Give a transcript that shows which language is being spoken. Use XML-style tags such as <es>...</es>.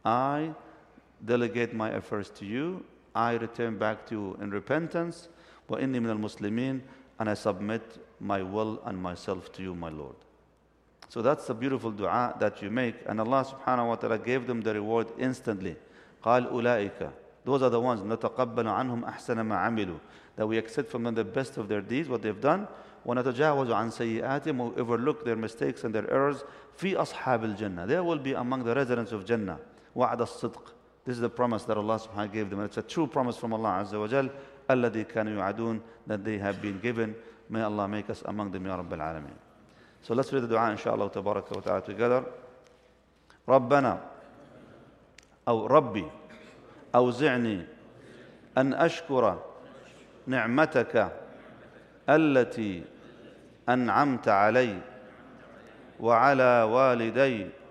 <en>I delegate my affairs to you. I return back to you in repentance.</en> <ar>وَإِنِّي مِنَ الْمُسْلِمِينَ.</ar> <en>And I submit my will and myself to you, my Lord. So that's the beautiful dua that you make. And Allah subhanahu wa ta'ala gave them the reward instantly.</en> <ar>قال أولئك.</ar> <en>Those are the ones.</en> <ar>نتقبل عنهم أحسن ما عملوا.</ar> <en>That we accept from them the best of their deeds, what they've done.</en> <ar>ونتجاوز عن سيئاتهم.</ar> <en>We overlook their mistakes and their errors.</en> <ar>في أصحاب الجنة.</ar> <en>They will be among the residents of Jannah.</en> <ar>وعد الصدق.</ar> <en>This is the promise that Allah subhanahu wa ta'ala gave them. And it's a true promise from Allah azza wa jal.</en> <ar>الَّذِي كَانُوا يُعَدُونَ.</ar> <en>That they have been given. May Allah make us among them, Ya Rabbi Al-Alamin. So let's read the dua, inshallah, tabaraka wa ta'ala, together.</en> <ar>رَبَّنَا أو ربي أوزعني أن أشكر نعمتك التي أنعمت علي وعلى والدي</ar>